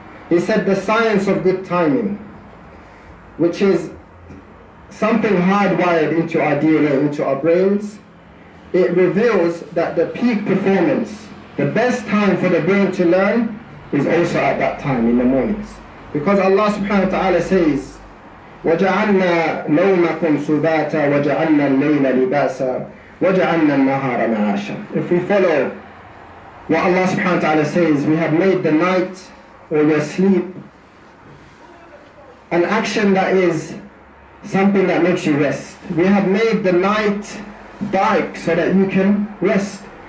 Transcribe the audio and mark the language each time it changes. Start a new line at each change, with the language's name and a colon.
English: He said, the science of good timing, which is something hardwired into our DNA, into our brains, it reveals that the peak performance, the best time for the brain to learn, is also at that time, in the mornings. Because Allah subhanahu wa ta'ala says,
Arabic: وَجَعَلْنَا نَوْمَكُمْ سُبَاتًا وَجَعَلْنَا اللَّيْلَ لِبَاسًا وَجَعَلْنَا النَّهَارَ مَعَاشًا.
English: If we follow what Allah subhanahu wa ta'ala says, we have made the night or your sleep an action that is something that makes you rest. We have made the night dark so that you can rest.